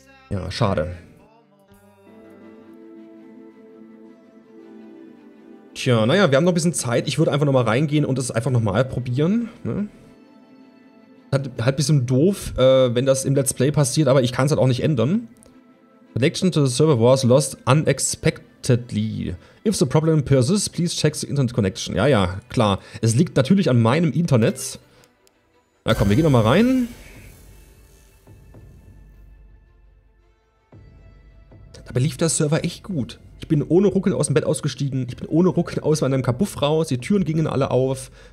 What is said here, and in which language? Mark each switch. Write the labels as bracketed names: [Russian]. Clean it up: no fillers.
[German] Ja, schade. Tja, naja, wir haben noch ein bisschen Zeit. Ich würde einfach nochmal reingehen und das einfach nochmal probieren, ne? Halt ein bisschen doof, wenn das im Let's Play passiert, aber ich kann es halt auch nicht ändern. [English] Connection to the server was lost unexpectedly. If the problem persists, please check the internet connection. [German] Ja, ja, klar. Es liegt natürlich an meinem Internet. Na komm, wir gehen nochmal rein. Dabei lief der Server echt gut. Ich bin ohne Ruckeln aus dem Bett ausgestiegen. Ich bin ohne Ruckeln aus meinem Kabuff raus. Die Türen gingen alle auf.